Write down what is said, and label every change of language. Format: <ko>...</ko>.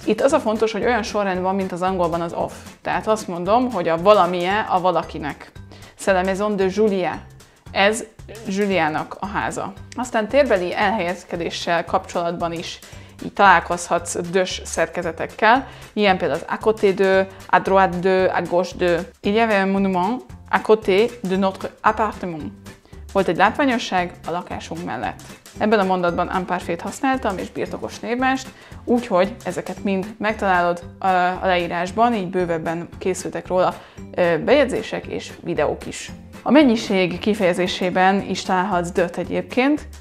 <hu>Itt az a fontos, hogy olyan sorrend van, mint az angolban az of. Tehát azt mondom, hogy a valamie a valakinek.</hu> <fr>C'est la maison de Julia.</fr> <hu>Ez Juliának a háza. Aztán térbeli elhelyezkedéssel kapcsolatban is így találkozhatsz dös szerkezetekkel. Ilyen például az</hu> <fr>à côté de, à droite de, à gauche de. Il y avait un monument à côté de notre appartement.</fr> <hu>Volt egy látványosság a lakásunk mellett. Ebben a mondatban imparfait használtam és birtokos névmást, úgyhogy ezeket mind megtalálod a leírásban, így bővebben készültek róla bejegyzések és videók is. A mennyiség kifejezésében is találhatsz de-t egyébként.</hu>